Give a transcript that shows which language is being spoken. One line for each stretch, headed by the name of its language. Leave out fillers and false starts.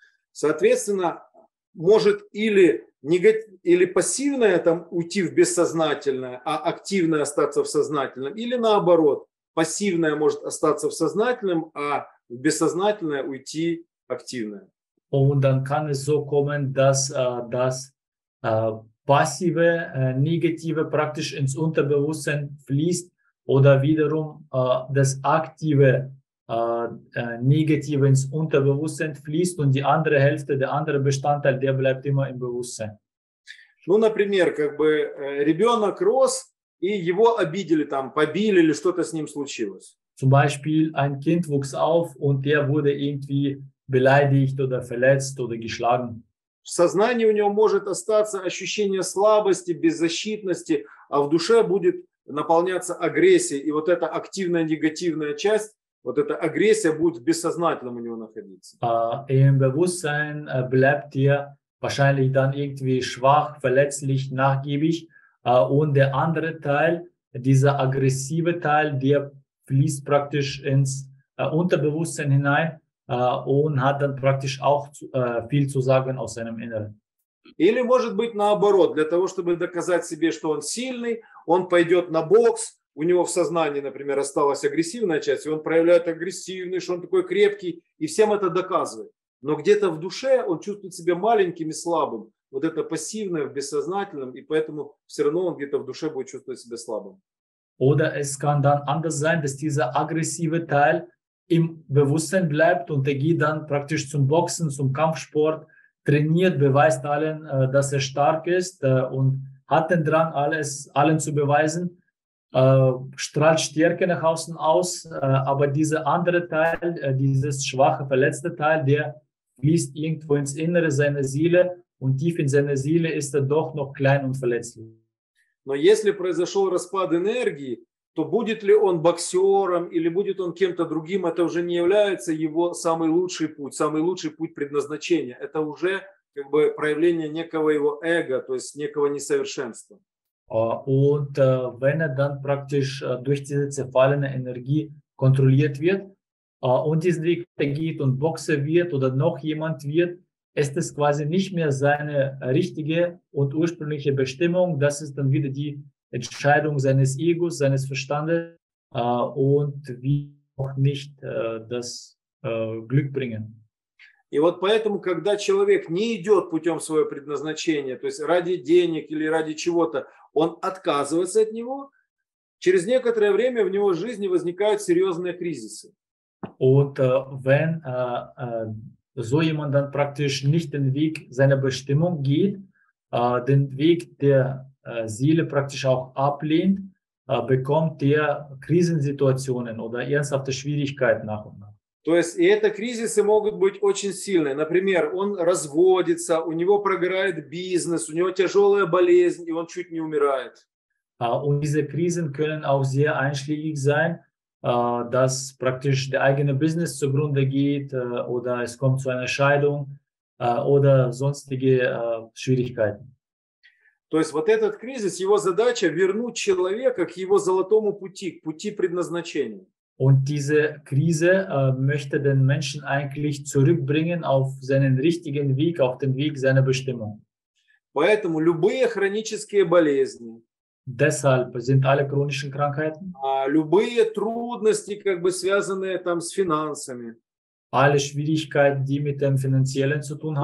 Russian: Соответственно, может или или пассивное там уйти в бессознательное, а активное остаться в сознательном, или наоборот, пассивное может остаться в сознательном, а в бессознательное уйти активное.
German: Und dann kann es so kommen, dass das passive, negative praktisch ins Unterbewusstsein fließt oder wiederum das aktive, negative ins Unterbewusstsein fließt und die andere Hälfte, der andere Bestandteil, der bleibt immer im Bewusstsein.
Russian: Ну, например, как бы ребенок рос и его обидели, там, побили или что-то с ним случилось.
German: Zum Beispiel ein Kind wuchs auf und der wurde irgendwie beleidigt oder verletzt oder geschlagen.
Russian: В сознании у него может остаться ощущение слабости, беззащитности, а в душе будет наполняться агрессией. И вот эта активная негативная часть, вот эта агрессия будет в бессознательном у него находиться.
German: Im Bewusstsein bleibt er wahrscheinlich dann irgendwie schwach, verletzlich, nachgiebig. Und der andere Teil, dieser aggressive Teil, der fließt praktisch ins Unterbewusstsein hinein. Und hat dann praktisch auch viel zu sagen aus seinem Inneren.
Russian: Или может быть наоборот, для того, чтобы доказать себе, что он сильный, он пойдет на бокс, у него в сознании, например, осталась агрессивная часть, и он проявляет агрессивный, что он такой крепкий, и всем это доказывает. Но где-то в душе он чувствует себя маленьким и слабым. Вот это пассивное в бессознательном, и поэтому все равно он где-то в душе будет чувствовать себя слабым.
German: Oder es kann dann anders sein, dass dieser aggressive Teil im Bewusstsein bleibt und er geht dann praktisch zum Boxen, zum Kampfsport, trainiert, beweist allen, dass er stark ist und hat den Drang, alles allen zu beweisen, strahlt Stärke nach außen aus, aber dieser andere Teil, dieses schwache, verletzte Teil, der fließt irgendwo ins Innere seiner Seele und tief in seiner Seele ist er doch noch klein und verletzlich.
Russian: Но если произошел распад энергии, то будет ли он боксером или будет он кем-то другим, это уже не является его самый лучший путь предназначения. Это уже как бы проявление некого его эго, то есть некого несовершенства.
German: Und wenn dann praktisch durch diese zerfallene Energie kontrolliert wird und diesen Weg geht und Boxer wird oder noch jemand wird, ist es quasi nicht mehr seine richtige und ursprüngliche Bestimmung. Das ist dann wieder die Entscheidung seines Egos, seines Verstandes und wie auch nicht das Glück bringen.
Russian: И вот поэтому, когда человек не идет путем своего предназначения, то есть ради денег или ради чего-то, он отказывается от него, через некоторое время в него жизни возникают серьезные кризисы.
German: Und wenn so jemand dann praktisch nicht den Weg seiner Bestimmung geht, den Weg der Seele praktisch auch ablehnt, bekommt der Krisensituationen oder ernsthafte Schwierigkeiten nach und nach.
Russian: То есть, и эти кризисы могут быть очень сильные. Например, он разводится, у него прогорает бизнес, у него тяжелая болезнь, и он чуть не умирает.
German: Und diese Krisen können auch sehr einschlägig sein, dass praktisch der eigene Business zugrunde geht, oder es kommt zu einer Scheidung, oder sonstige Schwierigkeiten.
Russian: То есть вот этот кризис, его задача вернуть человека к его золотому пути, к пути предназначения.
German: Und diese Krise möchte den Menschen eigentlich zurückbringen auf seinen richtigen Weg, auf den Weg seiner Bestimmung.
Russian: Поэтому любые хронические болезни,
German: deshalb sind alle chronischen Krankheiten,
Russian: любые трудности, как бы связанные там с финансами,
German: alle Schwierigkeiten, die mit dem Finanziellen zu tun haben,